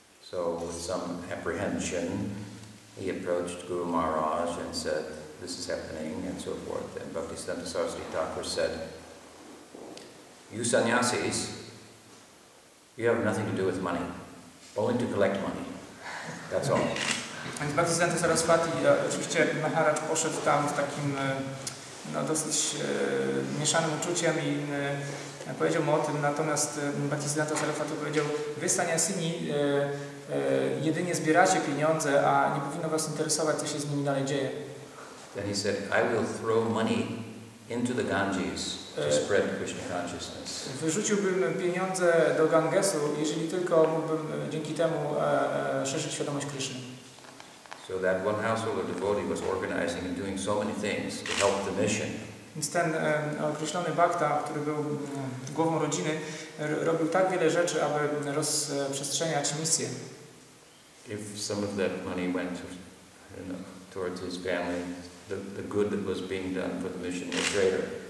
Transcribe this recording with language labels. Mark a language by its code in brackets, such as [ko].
[en] So with some apprehension he approached Guru Maharaj and said, this is happening and so forth. And Bhaktisiddhanta Saraswati Thakur said, you sannyasis, you have nothing to do with money, only to collect money. That's all. [pl] Więc Bhaktisiddhanta Saraswati, oczywiście Maharaj poszedł tam z takim dosyć mieszanym uczuciem i powiedział mu o tym, natomiast Bhaktisiddhanta Saraswati powiedział, wy sannyasini jedynie zbieracie pieniądze, a nie powinno was interesować, co się z nimi dalej dzieje. [en] Then he said, I will throw money into the Ganges to spread Krishna consciousness. [pl] Wyrzuciłbym pieniądze do Gangesu, jeżeli tylko mógłbym dzięki temu szerzyć świadomość Krishna. [en] So that one household of devotee was organizing and doing so many things to help the mission. [pl] Więc ten określony bhakta, który był głową rodziny, robił tak wiele rzeczy, aby rozprzestrzeniać misję. [en] If some of that money went to, you know, towards his family, the good that was being done for the mission was greater.